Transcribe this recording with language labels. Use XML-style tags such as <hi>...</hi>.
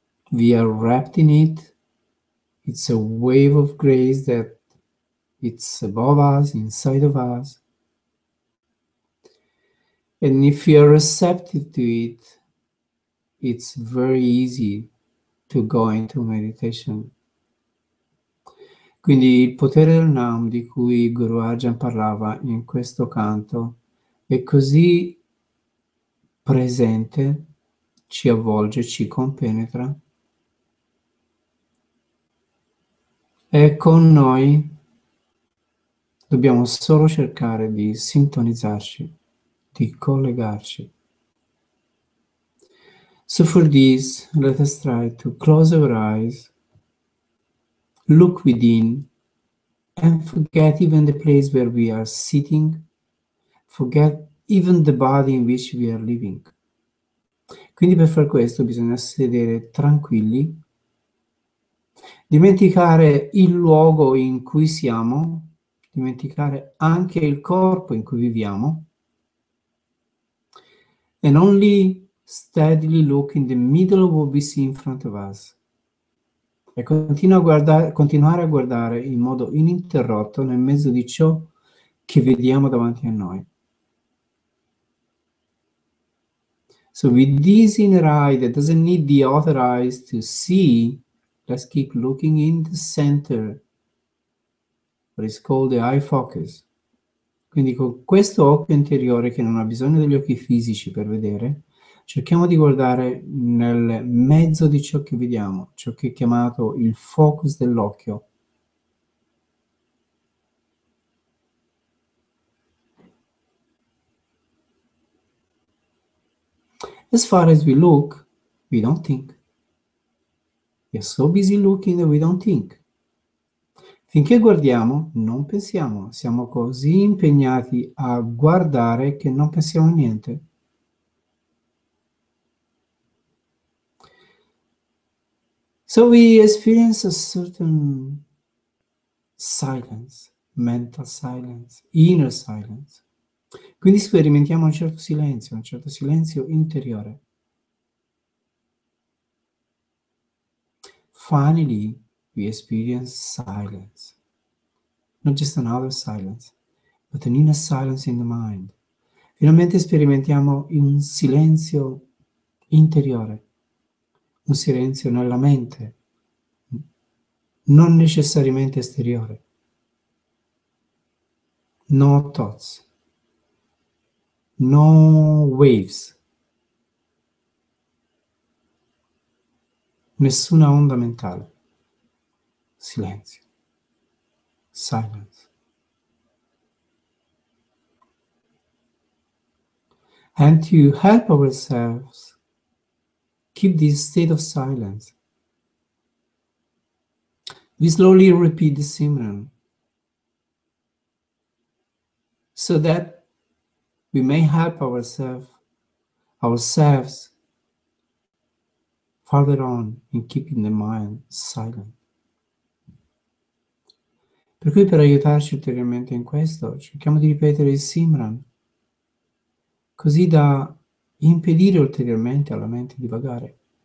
<en>We are wrapped in it. It's a wave of grace that it's above us, inside of us. And if you are receptive to it, it's very easy to go into meditation.</en> <it>Quindi il potere del Nam di cui Guru Arjan parlava in questo canto è così presente, ci avvolge, ci compenetra. È con noi, dobbiamo solo cercare di sintonizzarci, di collegarci.</it> <en>So for this, let us try to close our eyes, look within, and forget even the place where we are sitting, forget even the body in which we are living.</en> <it>Quindi per far questo bisogna sedere tranquilli, dimenticare il luogo in cui siamo, dimenticare anche il corpo in cui viviamo,</it> <en>and only steadily look in the middle of what we see in front of us.</en> <it>E continuare a guardare in modo ininterrotto nel mezzo di ciò che vediamo davanti a noi.</it> <en>So with this inner eye that doesn't need the other eyes to see, let's keep looking in the center, what is called the eye focus.</en> <it>Quindi con questo occhio interiore che non ha bisogno degli occhi fisici per vedere, cerchiamo di guardare nel mezzo di ciò che vediamo, ciò che è chiamato il focus dell'occhio.</it> <en>As far as we look, we don't think. We are so busy looking that we don't think.</en> <it>Finché guardiamo, non pensiamo. Siamo così impegnati a guardare che non pensiamo a niente.</it> <en>So we experience a certain silence, mental silence, inner silence.</en> <it>Quindi sperimentiamo un certo silenzio interiore.</it> <en>Finally, we experience silence. Not just another silence, but an inner silence in the mind.</en> <it>Finalmente sperimentiamo un silenzio interiore, un silenzio nella mente. Non necessariamente esteriore.</it> <en>No thoughts. No waves.</en> <it>Nessuna onda mentale. Silenzio.</it> <en>Silence. And to help ourselves keep this state of silence, we slowly repeat the Simran so that we may help ourselves further on in keeping the mind silent.</en> <it>Per cui per aiutarci ulteriormente in questo, cerchiamo di ripetere il Simran così da impedire ulteriormente alla mente di vagare.</it>